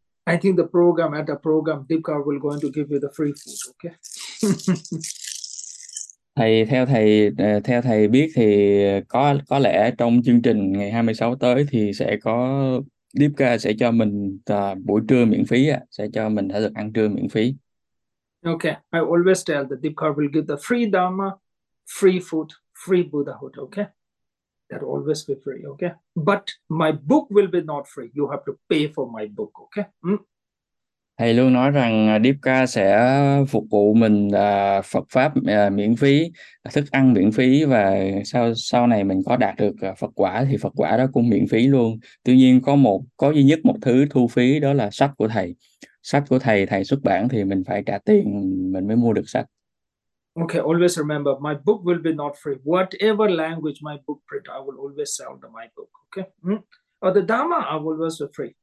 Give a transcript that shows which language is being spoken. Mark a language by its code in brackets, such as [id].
[en] I think the program, Deepak will going to give you the free [vi] Theo thầy biết thì có lẽ trong chương trình ngày 26 tới thì sẽ có Deepak sẽ cho mình buổi trưa miễn phí ạ, sẽ cho mình đã được ăn trưa miễn phí. [en] food. Okay. Okay. I always tell that Deepak will give the free Dharma, free food. Free Buddhahood, okay? That always be free, okay? But my book will be not free. You have to pay for my book, okay? [vi] Thầy luôn nói rằng Deepak sẽ phục vụ mình Phật pháp miễn phí, thức ăn miễn phí, và sau sau này mình có đạt được Phật quả thì Phật quả đó cũng miễn phí luôn. Tuy nhiên có duy nhất một thứ thu phí, đó là sách của thầy. Sách của thầy thầy xuất bản thì mình phải trả tiền mình mới mua được sách. [en] Okay, always remember, my book will be not free. Whatever language my book print, I will always sell my book. Okay? Or the Dharma, I will always be free.